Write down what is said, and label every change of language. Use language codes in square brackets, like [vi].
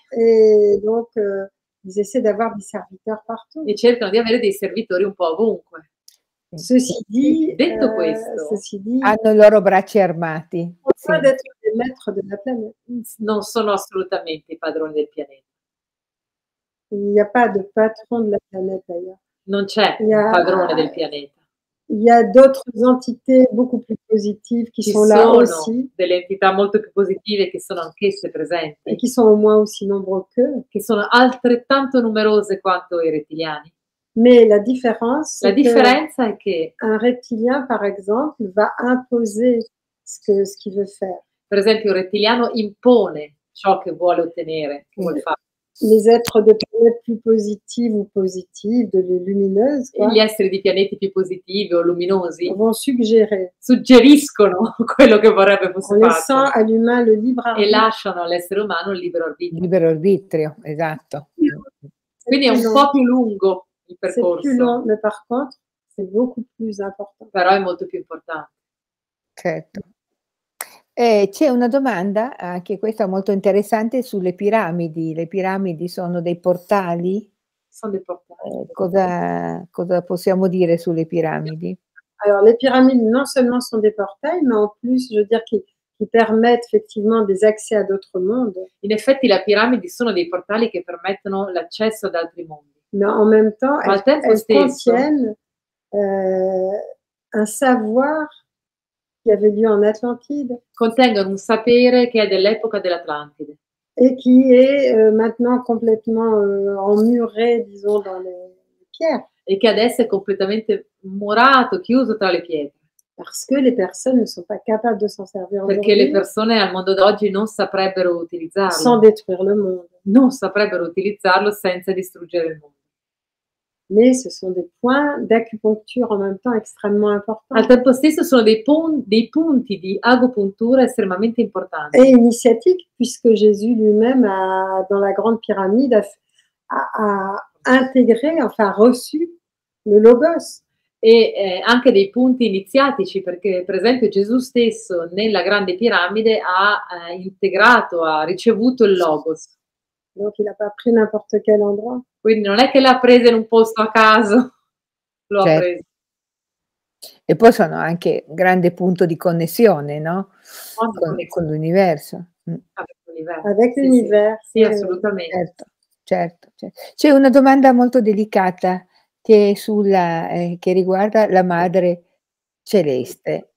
[fr] E donc ils essaient d'avoir des serviteurs partout. [it] E cercano di avere dei servitori un po' ovunque. [fr] Ceci dit, [it] hanno i loro bracci armati. [fr] Maître de la planète. [it] Non sono assolutamente i padroni del pianeta. [fr] Il n'y a pas de patron de la planète, d'ailleurs. [it] Non c'è un padrone del pianeta. [fr] Il y a d'autres entités beaucoup plus positives qui sont là aussi. [it] Delle entità molto più positive che sono anch'esse presenti. [fr] E qui sont au moins aussi nombreux que. [it] Che sono altrettanto numerose quanto i rettiliani. [fr] Mais la différence. [it] La differenza è che [fr] un rettilien, par exemple, va imposer ce qu'il veut faire. [it] Per esempio, un rettiliano impone ciò che vuole ottenere, che vuole fare. [fr] Les êtres de planètes plus positives ou positives, de lumineuses, quoi. [it] Gli esseri di pianeti più positivi o luminosi [fr] vont suggérer. [it] Suggeriscono quello che vorrebbe fosse fatto. [fr] Laissant à l'humain le libre arbitre. [it] E lasciano all'essere umano il libero arbitrio. Libero arbitrio, esatto. Quindi è un po' più lungo il percorso. [fr] C'est plus long, mais par contre, c'est beaucoup plus important. [it] Però è molto più importante. Certo. C'è una domanda, anche questa molto interessante, sulle piramidi. Le piramidi sono dei portali? Sono dei portali. Cosa possiamo dire sulle piramidi? Allora, le piramidi non solo sono dei portali, ma in più, [fr] je veux dire, [it] qui permettono effettivamente [fr] des accès ad autres mondes. [it] In effetti, le piramidi sono dei portali che permettono l'accesso ad altri mondi. [fr] Ma en même temps, elles contiennent un savoir. Qui avait lieu en Atlantide. [it] Contengono un sapere che è dell'epoca dell'Atlantide. [fr] E qui è maintenant complètement emmuré, disons, dans les pierres. [it] E che adesso è completamente murato, chiuso tra le pietre. [fr] Parce que les personnes ne sont pas capables de s'en servir. [it] Perché le persone al mondo d'oggi non saprebbero utilizzarlo. [fr] Sans détruire le monde. [it] Non saprebbero utilizzarlo senza distruggere il mondo. [fr] Mais ce sont des points d'acupuncture en même temps extrêmement importants. [it] Al tempo stesso sono dei punti di agopuntura estremamente importanti. [fr] Et initiatique, puisque Jésus lui-même, dans la grande pyramide, a intégré, enfin reçu le Logos. [it] E anche dei punti iniziatici, perché per esempio Gesù stesso nella grande piramide ha ricevuto il Logos. [fr] Donc il a pas pris n'importe quel endroit. [it] Quindi non è che l'ha presa in un posto a caso, lo ha preso. E poi sono anche un grande punto di connessione, no? Con l'universo. [fr] Avec l'universo. [it] Sì, sì, assolutamente. Certo. C'è una domanda molto delicata che è che riguarda la Madre Celeste.